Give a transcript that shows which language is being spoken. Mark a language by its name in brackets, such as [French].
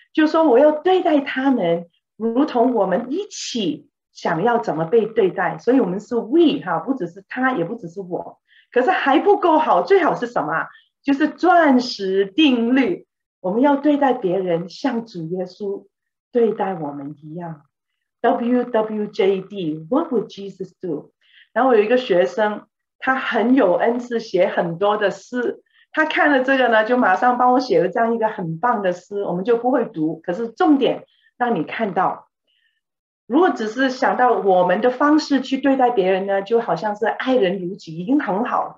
[Chinese] 就说我要对待他们如同我们一起想要怎么被对待，所以我们是 we 哈，不只是他，也不只是我。可是还不够好，最好是什么？就是钻石定律，我们要对待别人像主耶稣对待我们一样。 [English] WWJD, what would Jesus do？ [Chinese] 然后我有一个学生，他很有恩赐，写很多的诗。他看了这个呢，就马上帮我写了这样一个很棒的诗，我们就不会读。可是重点让你看到，如果只是想到我们的方式去对待别人呢，就好像是爱人如己，已经很好。